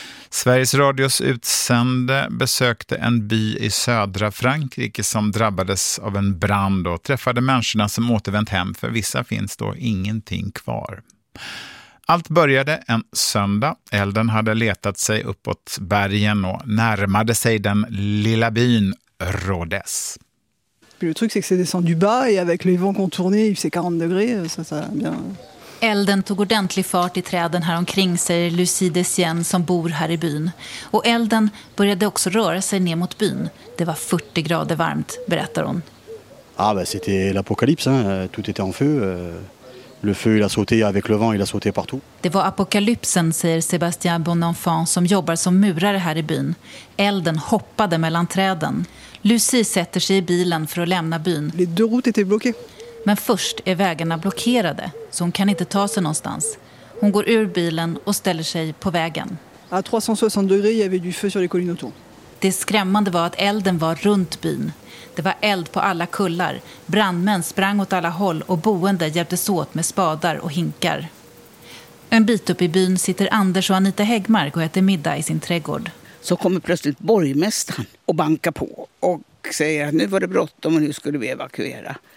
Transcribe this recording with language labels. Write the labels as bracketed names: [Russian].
[Swedish] Sveriges Radios utsände besökte en by i södra Frankrike som drabbades av en brand och träffade människorna som återvänt hem, för vissa finns då ingenting kvar. Allt började en söndag. Elden hade letat sig uppåt bergen och närmade sig den lilla byn Rodez. [French] Le truc c'est que c'est descendu bas et avec les vents contournés, il fait 40 degrés, ça bien. [Swedish] Elden tog ordentlig fart i träden här omkring, säger Lucie Desien som bor här i byn. Och elden började också röra sig ner mot byn. Det var 40 grader varmt, berättar hon. [French] Ah ben c'était l'apocalypse, hein. Tout était en feu. Le feu, il a sauté avec le vent, il a sauté partout. [Swedish] Det var apokalypsen, säger Sébastien Bonenfant som jobbar som murare här i byn. Elden hoppade mellan träden. Lucie sätter sig i bilen för att lämna byn. [French] Les deux routes étaient bloquées. [Swedish] Men först är vägarna blockerade, så hon kan inte ta sig någonstans. Hon går ur bilen och ställer sig på vägen. [French] À 360 degrés, il y avait du feu sur les collines autour. [Swedish] Det skrämmande var att elden var runt byn. Det var eld på alla kullar. Brandmän sprang åt alla håll och boende hjälptes åt med spadar och hinkar. En bit upp i byn sitter Anders och Anita Häggmark och äter middag i sin trädgård. Så kommer plötsligt borgmästaren och bankar på och säger att nu var det bråttom och nu skulle vi evakuera.